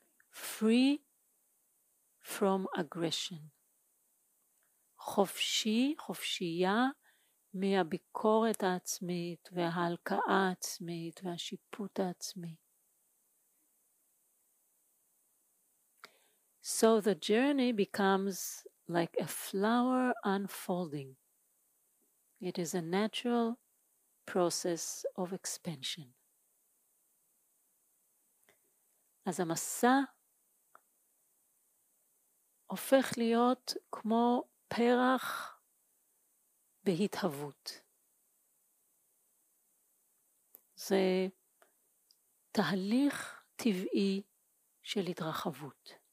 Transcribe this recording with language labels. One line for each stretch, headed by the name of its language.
English: Free from aggression.
Hebrew: חופשי, חופשייה מהביקורת העצמית וההלקאה העצמית והשיפוט העצמי.
English: So the journey becomes like a flower unfolding. It is a natural process of expansion.
Hebrew: אז המסע הופך להיות כמו פרח בהתהוות. זה תהליך טבעי של התרחבות.